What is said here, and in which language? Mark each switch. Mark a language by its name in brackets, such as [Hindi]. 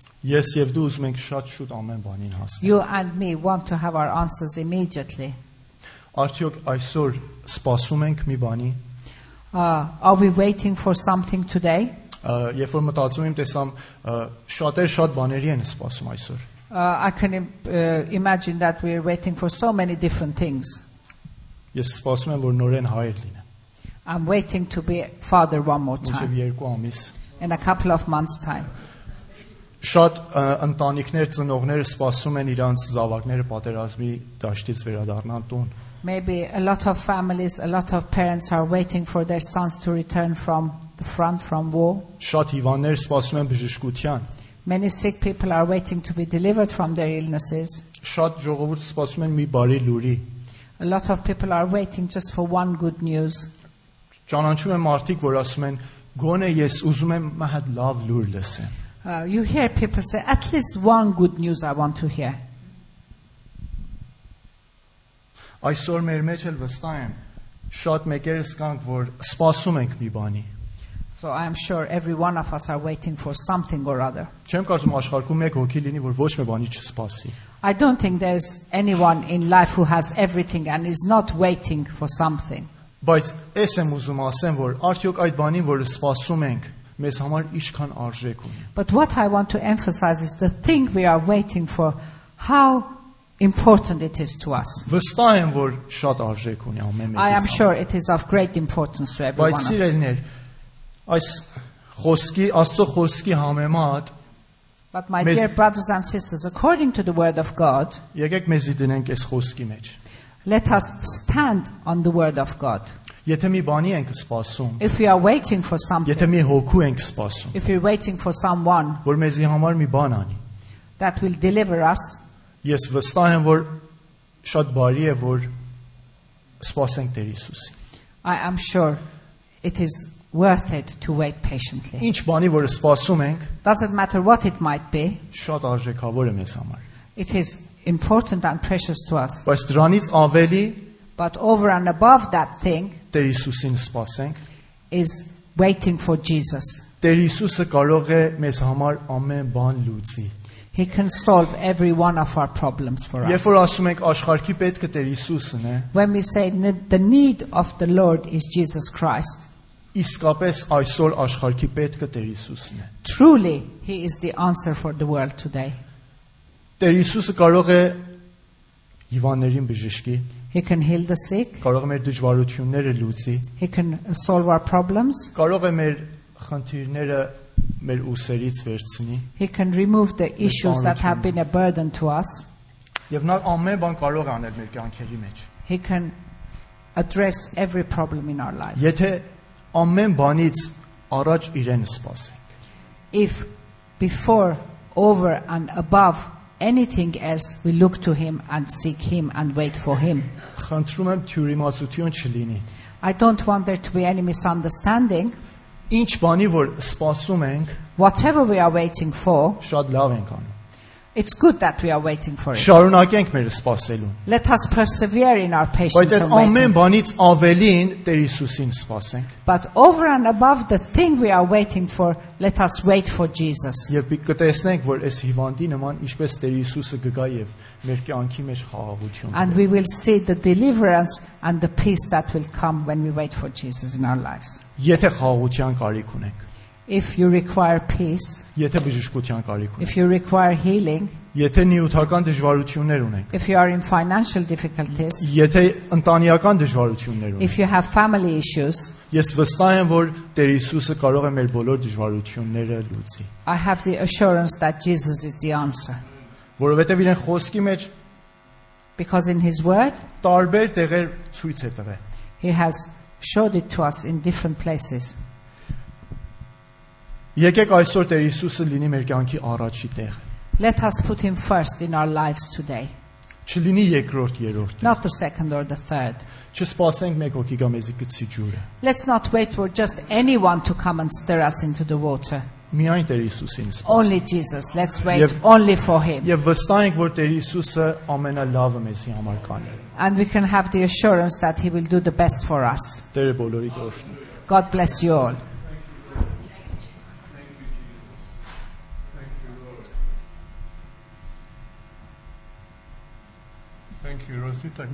[Armenian] Ես եւ դու ուզում ենք շատ շուտ ամեն բանին հասնել. [English] You and me want to have our answers immediately. [Armenian] Արդյոք այսօր սպասում ենք մի բանի? [English] Are we waiting for something today? [Armenian] Երբ որ մտածում եմ, տեսամ շատեր շատ բաների են սպասում այսօր. [English] I can imagine that we are waiting for so many different things. [Armenian] Ես սպասում եմ, որ նորեն հայր լինի. [English] I'm waiting to be father one more time. In a couple of months' time. [Armenian] Շատ ընտանիքներ ծնողները սպասում են իրանց զավակները պատերազմի դաշտից վերադառնան տուն. [English] Maybe a lot of families, a lot of parents are waiting for their sons to return from the front from war. [Armenian] Շատ հիվաններ սպասում են բժշկության. [English] Many sick people are waiting to be delivered from their illnesses. [Armenian] Շատ ժողովուրդ սպասում են մի բարի լուրի. [English] A lot of people are waiting just for one good news. [Armenian] Ճանաչում եմ մարդիկ, որ ասում են, «Գոնե ես ուզում եմ մահդ լավ լուր լսեմ»։ [English] You hear people say, «At least one good news I want to hear»։ [Armenian] Այսօր մեր մեջ էլ վստահ եմ, շատ մեկերս կանք, որ սպասում ենք մի բանի։ [English] So I am sure every one of us are waiting for something or other. [Armenian] Չեմ կարծում աշխարհում մեկ հոգի լինի, որ ոչ մի բանի չսպասի։ [English] I don't think there's anyone in life who has everything and is not waiting for something. [Armenian] Բայց ես եմ ուզում ասեմ, որ արդյոք այդ բանին, որ սպասում ենք, մեզ համար ինչքան արժեք ունի։ [English] But what I want to emphasize is the thing we are waiting for, how important it is to us. [Armenian] Վստահ եմ, որ շատ արժեք ունի ամեն մեկի համար։ [English] I am sure it is of great importance to everyone. [Armenian] Բայց սիրելիներ, այս խոսքի, Աստծո խոսքի համեմատ, [English] But my dear brothers and sisters, according to the word of God, [Armenian] եկեք մեզի դնենք այս խոսքի մեջ։ [English] Let us stand on the word of God. If we are waiting for something, if we are waiting for someone that will deliver us. [Armenian] Ես վստահ եմ, որ շատ բարի է, որ սպասենք Տեր Հիսուսին. [English] I am sure it is worth it to wait patiently. [Armenian] Ինչ բանի որ սպասում ենք, [English] doesn't matter what it might be. [Armenian] Շատ արժեքավոր է մեզ համար. [English] It is important and precious to us. [Armenian] Բայց դրանից ավելի, [English] but over and above that thing, [Armenian] Տեր Հիսուսին սպասենք, [English] is waiting for Jesus. [Armenian] Տեր Հիսուսը կարող է մեզ համար ամեն բան լուծի. [English] He can solve every one of our problems for us. [Armenian] Երբ որ ասում ենք աշխարհքի պետքը Տեր Հիսուսն է, [English] when we say the need of the Lord is Jesus Christ, [Armenian] իսկապես այսօր աշխարհքի պետքը Տեր Հիսուսն է. [English] Truly, he is the answer for the world today. [Armenian] Տեր Հիսուսը կարող է հիվաններին բժշկի. [English] He can heal the sick. [Armenian] Կարող է մեր դժվարությունները լուծի. [English] He can solve our problems. [Armenian] Կարող է մեր խնդիրները մեր ուսերից վերցնի. [English] He can remove the issues that have been a burden to us. [Armenian] Եվ նա ամեն բան կարող է անել մեր կյանքերի մեջ. [English] He can address every problem in our lives. [Armenian] Եթե ամեն բանից առաջ իրեն սպասենք. [English] If before, over and above anything else, we look to him and seek him and wait for him. [Armenian] Խնդրում եմ թյուրիմացություն չլինի. [English] I don't want there to be any misunderstanding. [Armenian] Ինչ բանի որ սպասում ենք, [English] whatever we are waiting for, [Armenian] շատ լավ ենք անում. [English] It's good that we are waiting for it. [Armenian] Շարունակենք մեր սպասելու. [English] Let us persevere in our patience. [Armenian] Բայց ամեն բանից ավելին Տեր Հիսուսին սպասենք. [English] But over and above the thing we are waiting for, let us wait for Jesus. [Armenian] Եվ կտեսնենք, որ այս հիվանդի նման ինչպես Տեր Հիսուսը գա եւ մեր կյանքի մեջ խաղաղություն կունենա. [English] And we will see the deliverance and the peace that will come when we wait for Jesus in our lives. [Armenian] Եթե խաղաղության կարիք ունենք, [English] if you require peace, [Armenian] եթե բժշկության կարիք ունեք, [English] if you require healing, [Armenian] եթե նյութական դժվարություններ ունեք, [English] if you are in financial difficulties, [Armenian] եթե ընտանեկան դժվարություններ ունեք, [English] if you have family issues, [Armenian] ես վստահ եմ, որ Տեր Հիսուսը կարող է մեր բոլոր դժվարությունները լուծի. [English] I have the assurance that Jesus is the answer. [Armenian] Որովհետև իրեն խոսքի մեջ, [English] because in his word, [Armenian] տարբեր տեղեր ցույց է տվել. [English] He has showed it to us in different places. [Armenian] Եկեք այսօր Տեր Հիսուսը լինի մեր կյանքի առաջի տեղ։ [English] Let us put him first in our lives today. [Armenian] Չլինի երկրորդ, երրորդ։ [English] Not the second or the third. [Armenian] Չսպասենք մեկ օգի կամ եզի գցի ջուրը։ [English] Let's not wait for just anyone to come and stir us into the water. [Armenian] Միայն Տեր Հիսուսին սպասենք։ [English] Only Jesus. Let's wait only for him. [Armenian] Եվ վստահ ենք, որ Տեր Հիսուսը ամենալավը մեզի համար կանի։ [English] And we can have the assurance that he will do the best for us. [Armenian] Տերը բոլորի տոշնի։ [English] God bless you all. Thank you, Rosita.